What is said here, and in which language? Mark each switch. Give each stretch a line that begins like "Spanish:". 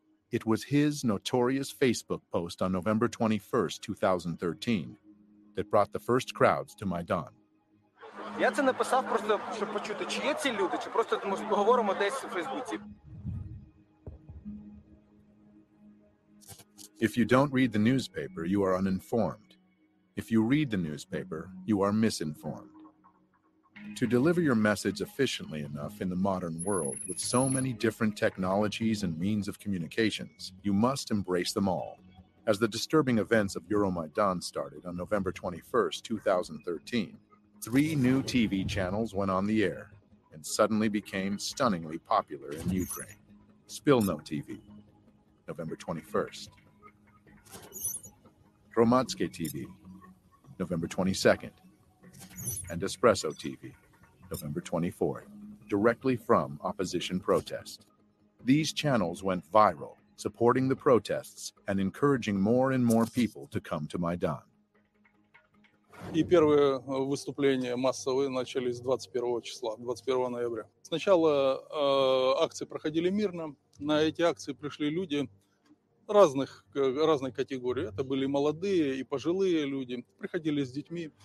English: It was his notorious Facebook post on November 21st, 2013, that brought the first crowds to Maidan.
Ukrainian: Я це написав просто, щоб почути, чи є ці люди, чи просто ми поговоримо десь у Фейсбуці.
English: If you don't read the newspaper, you are uninformed. If you read the newspaper, you are misinformed. To deliver your message efficiently enough in the modern world with so many different technologies and means of communications, you must embrace them all. As the disturbing events of Euromaidan started on November 21st, 2013, three new TV channels went on the air and suddenly became stunningly popular in Ukraine. Spilno TV, November 21st. Romatske TV, November 22nd. And Espresso TV, November 24th, directly from opposition protest. These channels went viral, supporting the protests and encouraging more and more people to come to Maidan.
Russian: И первые выступления массовые начались 21 числа, 21 ноября. Сначала акции проходили мирно. На эти акции пришли люди разной категории. Это были молодые и пожилые люди. Приходили с детьми.